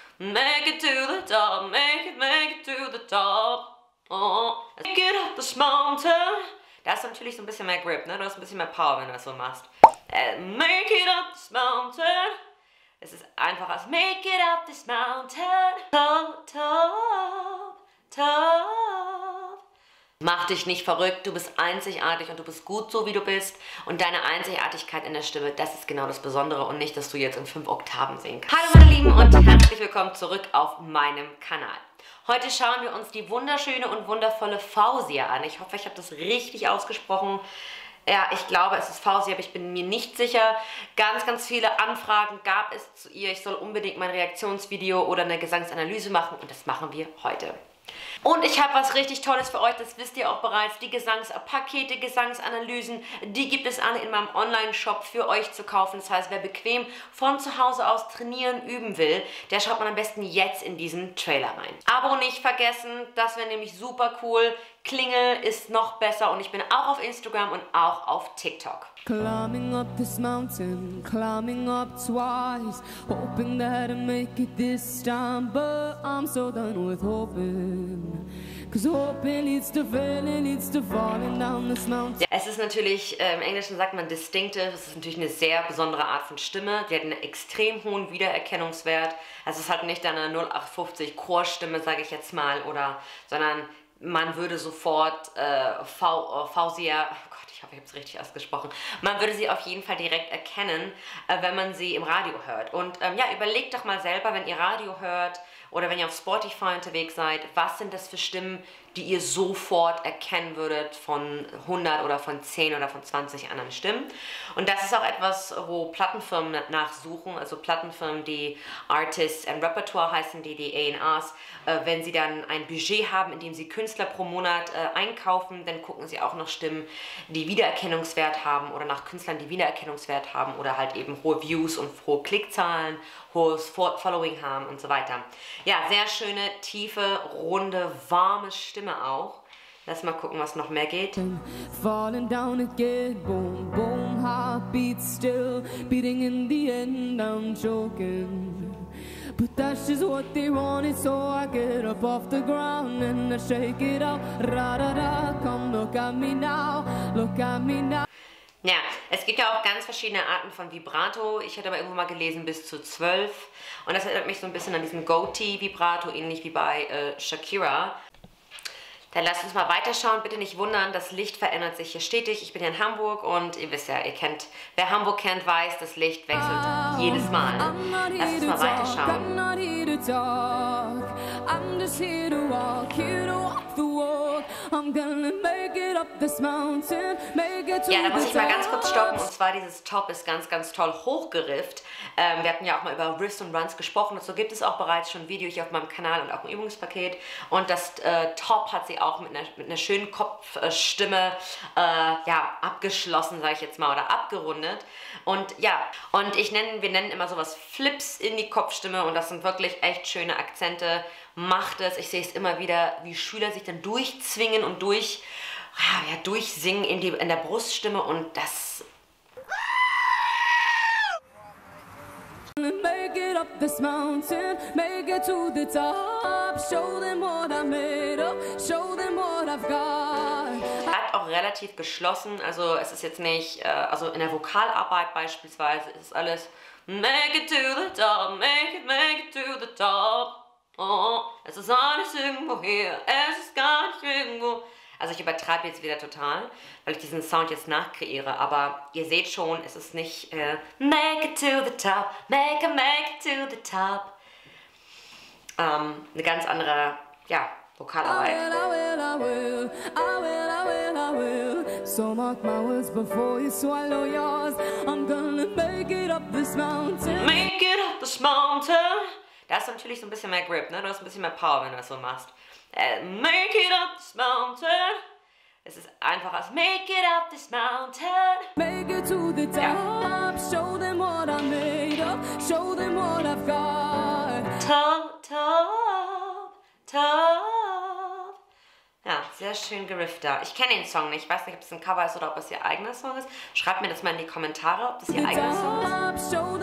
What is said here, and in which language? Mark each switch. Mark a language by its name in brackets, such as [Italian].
[English] Make it to the top, make it to the top. Oh. Make it up this mountain. [German] Da hast du natürlich so ein bisschen mehr Grip, ne? Du hast ein bisschen mehr Power, wenn du das so machst. [English] Make it up this mountain. [German] Es ist einfacher als [English] make it up this mountain. Top, top, top. [German] Mach dich nicht verrückt, du bist einzigartig und du bist gut so, wie du bist. Und deine Einzigartigkeit in der Stimme, das ist genau das Besondere und nicht, dass du jetzt in 5 Oktaven singen kannst. Hallo meine Lieben und herzlich willkommen zurück auf meinem Kanal. Heute schauen wir uns die wunderschöne und wundervolle Fausia an. Ich hoffe, ich habe das richtig ausgesprochen. Ja, ich glaube, es ist Fausia, aber ich bin mir nicht sicher. Ganz, ganz viele Anfragen gab es zu ihr. Ich soll unbedingt mein Reaktionsvideo oder eine Gesangsanalyse machen und das machen wir heute. Und ich habe was richtig Tolles für euch, das wisst ihr auch bereits. Die Gesangspakete, Gesangsanalysen, die gibt es alle in meinem Online-Shop für euch zu kaufen. Das heißt, wer bequem von zu Hause aus trainieren, üben will, der schaut man am besten jetzt in diesen Trailer rein. Abo nicht vergessen, das wäre nämlich super cool. Klingel ist noch besser und ich bin auch auf Instagram und auch auf TikTok. [English] Climbing up this mountain, climbing up twice, hoping that I make it this time, but I'm so done with hoping, cause hoping leads to failing, leads to falling down this mountain. [German] Es ist natürlich, im Englischen sagt man distinctive, es ist natürlich eine sehr besondere Art von Stimme, die hat einen extrem hohen Wiedererkennungswert, also es ist halt nicht deine 0850 Chorstimme, sage ich jetzt mal, oder, sondern man würde sofort Fausia, oh Gott, ich hoffe, ich habe es richtig ausgesprochen, man würde sie auf jeden Fall direkt erkennen, wenn man sie im Radio hört. Und ja, überlegt doch mal selber, wenn ihr Radio hört oder wenn ihr auf Spotify unterwegs seid, was sind das für Stimmen, die ihr sofort erkennen würdet von 100 oder von 10 oder von 20 anderen Stimmen. Und das ist auch etwas, wo Plattenfirmen nachsuchen, also Plattenfirmen, die Artists and Repertoire heißen, die die A&Rs, wenn sie dann ein Budget haben, in dem sie Künstler pro Monat einkaufen, dann gucken sie auch nach Stimmen, die Wiedererkennungswert haben oder nach Künstlern, die Wiedererkennungswert haben oder halt eben hohe Views und hohe Klickzahlen, hohes Following haben und so weiter. Ja, sehr schöne, tiefe, runde, warme Stimme auch. Lass mal gucken, was noch mehr geht. [English] Falling down again, boom, boom, heartbeat still, beating in the end, I'm choking. But that's just what they wanted, so I get up off the ground and I shake it out. Ra ra ra, come look at me now, look at me now. [German] Ja, es gibt ja auch ganz verschiedene Arten von Vibrato. Ich hatte aber irgendwo mal gelesen bis zu 12. Und das erinnert mich so ein bisschen an diesen Goatee-Vibrato, ähnlich wie bei Shakira. Dann lasst uns mal weiterschauen. Bitte nicht wundern, das Licht verändert sich hier stetig. Ich bin hier in Hamburg und ihr wisst ja, ihr kennt, wer Hamburg kennt, weiß, das Licht wechselt jedes Mal. Lasst uns mal weiterschauen. [English] I'm not here to talk, I'm just here to walk, here to walk the walk. I'm gonna make it up this mountain, make it to the top. [German] Ja, da muss ich mal ganz kurz stoppen. Und zwar, dieses Top ist ganz, ganz toll hochgerifft. Wir hatten ja auch mal über Riffs und Runs gesprochen. Dazu gibt es auch bereits schon ein Video hier auf meinem Kanal und auch ein Übungspaket. Und das Top hat sie auch mit einer schönen Kopfstimme ja, abgeschlossen, sage ich jetzt mal, oder abgerundet. Und ja, und wir nennen immer sowas Flips in die Kopfstimme und das sind wirklich echt schöne Akzente. Macht es. Ich sehe es immer wieder, wie Schüler sich dann durchzwingen und durchsingen in der Bruststimme und das. [English] Make it up this mountain, make it to the top, show them what I made up, show them what I've got. [German] Hat auch relativ geschlossen, also es ist jetzt nicht, also in der Vokalarbeit beispielsweise ist alles [English] make it to the top, [German] make it to the top. Oh, es ist alles irgendwo hier, es ist gar nicht irgendwo. Also ich übertreibe jetzt wieder total, weil ich diesen Sound jetzt nachkreiere, aber ihr seht schon, es ist nicht [English] make it to the top, [German] make it to the top. Eine ganz andere, ja, Vokalarbeit. [English] I will, I will, I will, I will, I will, I will. So mark my words before you swallow yours. I'm gonna make it up this mountain. Make it up this mountain. [German] Da hast du natürlich so ein bisschen mehr Grip, ne? Du hast ein bisschen mehr Power, wenn du das so machst. [English] Make it up this mountain. [German] Es ist einfach als [English] make it up this mountain. Make it to the top. Ja. Show them what I made up. Show them what I've got. Top, top, top. [German] Ja, sehr schön geriffter. Ich kenne den Song nicht. Ich weiß nicht, ob es ein Cover ist oder ob es ihr eigener Song ist. Schreibt mir das mal in die Kommentare, ob das ihr eigener Song ist.